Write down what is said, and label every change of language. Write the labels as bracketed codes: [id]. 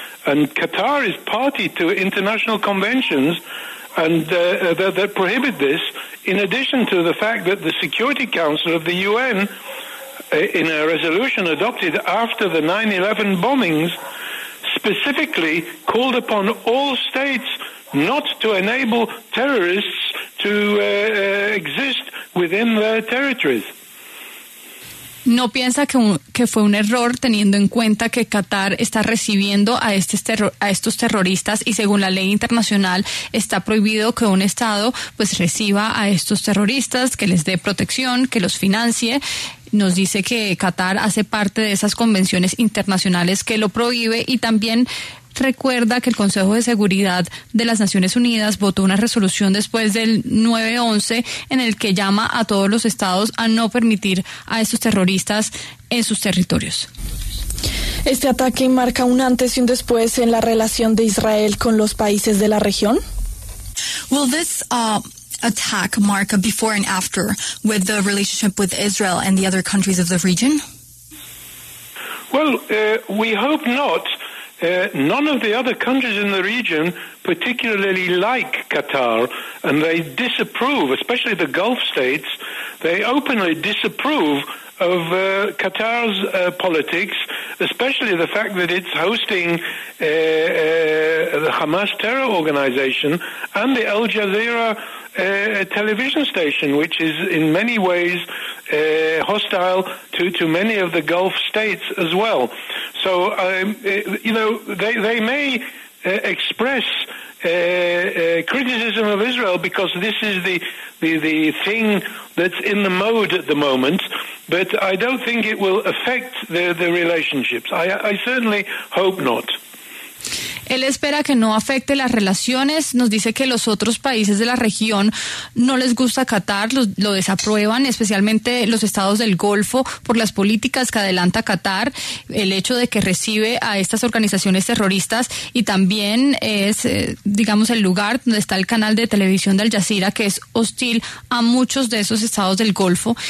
[en] And Qatar is party to international conventions and that prohibit this, in addition to the fact that the Security Council of the UN, in a resolution adopted after the 9/11 bombings, specifically called upon all states not to enable terrorists to exist within their territories. [es] ¿No piensa que fue un error teniendo en cuenta que Qatar está recibiendo a estos terroristas y según la ley internacional está prohibido que un Estado pues reciba a estos terroristas, que les dé protección, que los financie? Nos dice que Qatar hace parte de esas convenciones internacionales que lo prohíbe y también recuerda que el Consejo de Seguridad de las Naciones Unidas votó una resolución después del 9/11 en el que llama a todos los estados a no permitir a estos terroristas en sus territorios. ¿Este ataque marca un antes y un después en la relación de Israel con los países de la región? [en] Well, this attack mark a before and after with the relationship with Israel and the other countries of the region? Well, we hope not. None of the other countries in the region particularly like Qatar, and they disapprove, especially the Gulf states, they openly disapprove of Qatar's politics, especially the fact that it's hosting the Hamas terror organization and the Al Jazeera television station, which is in many ways hostile to many of the Gulf states as well. So, you know, they may express criticism of Israel because this is the thing that's in the mode at the moment, but I don't think it will affect the relationships. I certainly hope not. [es] Él espera que no afecte las relaciones. Nos dice que los otros países de la región no les gusta Qatar, lo desaprueban, especialmente los estados del Golfo por las políticas que adelanta Qatar, el hecho de que recibe a estas organizaciones terroristas y también es, digamos, el lugar donde está el canal de televisión de Al Jazeera, que es hostil a muchos de esos estados del Golfo.